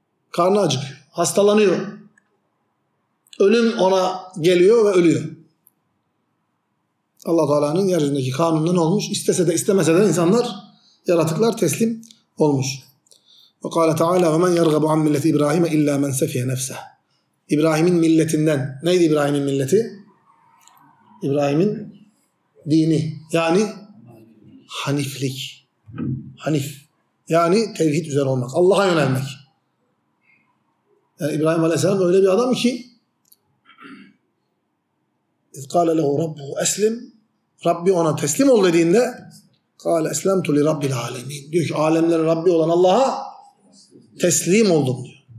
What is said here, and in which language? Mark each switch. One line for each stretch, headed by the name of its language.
Turkish: Karnı acıkıyor, hastalanıyor. Ölüm ona geliyor ve ölüyor. Allah-u Teala'nın yeryüzündeki kanunundan olmuş. İstese de istemese de insanlar, yaratıklar teslim olmuş.
Arabic: وَقَالَ تَعَالَى وَمَنْ يَرْغَبُ عَنْ مِلَّةِ اِبْرَٰهِمَ اِلَّا مَنْ سَفِيَ نَفْسَهِ İbrahim'in milletinden.
Turkish: Neydi İbrahim'in milleti? İbrahim'in dini. Yani haniflik. Hanif. Yani tevhid üzere olmak. Allah'a yönelmek. Yani İbrahim Aleyhisselam öyle bir adam ki اِذْ قَالَ لَهُ رَبُّهُ اَسْلِمْ Rabbi ona teslim ol dediğinde قَالَ اَسْلَمْتُ لِرَبِّ الْعَالَمِينَ Diyor ki alemlerin Rabbi olan Allah'a teslim oldum diyor.